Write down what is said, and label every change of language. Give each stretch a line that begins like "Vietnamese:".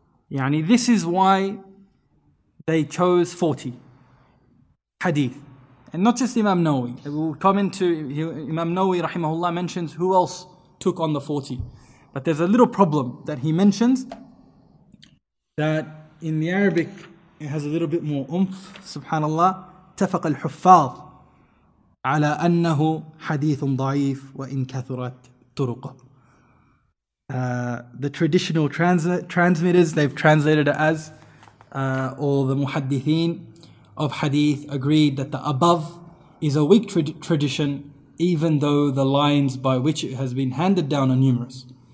English: Yani, this is why they chose 40 hadith. And not just Imam Nawawi. Imam Nawawi rahimahullah mentions who else took on the 40. But there's a little problem that he mentions, that in the Arabic it has a little bit more umph, subhanallah.
Arabic: اتفق الحفاظ على أنه حديث ضعيف وإن كثرت طرقه.
English: The traditional transmitters, they've translated it as, all the muhaddithin of hadith agreed that the above is a weak tradition, even though the lines by which it has been handed down are numerous.